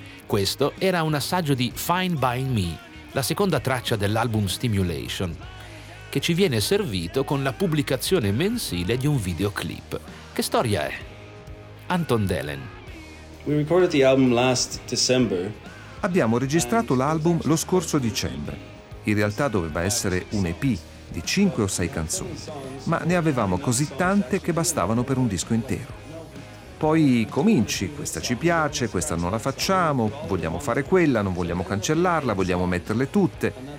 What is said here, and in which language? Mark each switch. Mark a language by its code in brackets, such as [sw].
[it] Questo era un assaggio di Fine by Me, la seconda traccia dell'album Stimulation, che ci viene servito con la pubblicazione mensile di un videoclip. Che storia è? Anton Delen. [en] We recorded the album last December. [it] Abbiamo registrato l'album lo scorso dicembre. In realtà doveva essere un EP di 5 o 6 canzoni, ma ne avevamo così tante che bastavano per un disco intero. Poi cominci, questa ci piace, questa non la facciamo, vogliamo fare quella, non vogliamo cancellarla, vogliamo metterle tutte.